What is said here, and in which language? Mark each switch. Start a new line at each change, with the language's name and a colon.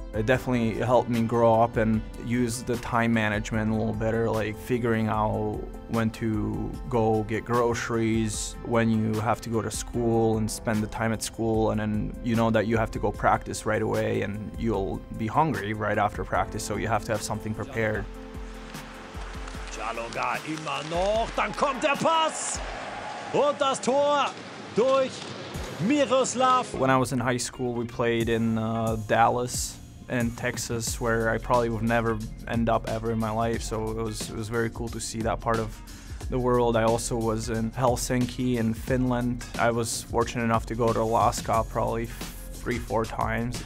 English: It definitely helped me grow up and use the time management a little better, like figuring out when to go get groceries, when you have to go to school and spend the time at school, and then you know that you have to go practice right away and you'll be hungry right after practice, so you have to have something prepared.
German: Jaloga immer noch, dann kommt der Pass und das Tor durch Miroslav.
English: When I was in high school, we played in Dallas. In Texas, where I probably would never end up ever in my life. So it was very cool to see that part of the world. I also was in Helsinki in Finland. I was fortunate enough to go to Alaska probably 3-4 times.